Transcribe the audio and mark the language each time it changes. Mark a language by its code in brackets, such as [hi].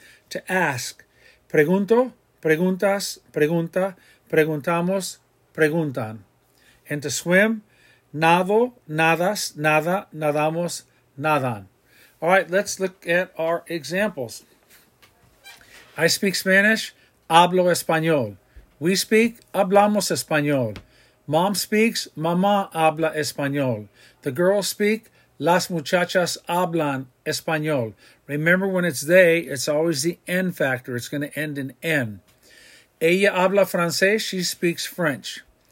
[es] To ask, pregunto, preguntas, pregunta, preguntamos, preguntan. And to swim, nado, nadas, nada, nadamos, nadan. [en] All right, let's look at our examples. I speak Spanish, hablo español. We speak, hablamos español. [es] Mom speaks, mamá habla español. The girls speak, las muchachas hablan español. [en] Remember, when it's they, it's always the N factor. It's going to end in N. [es] Ella habla francés, she speaks French.